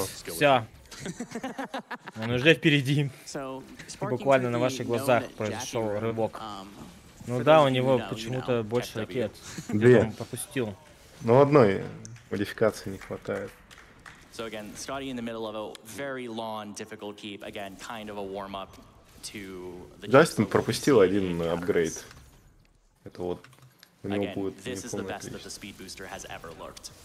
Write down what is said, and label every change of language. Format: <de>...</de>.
<ru>О нет, все. Он уже впереди. И буквально на ваших глазах произошел рывок. Ну да, у него почему-то больше ракет. Две. Он пропустил. Ну одной модификации не хватает.</ru> <en>So again, Scotty in the middle of a very long, difficult keep. Again, kind of a warm-up to the.</en> <ru>Джастин пропустил один апгрейд. Это вот у него будет.</ru> <en>This is the best that the speed booster has ever looked.</en>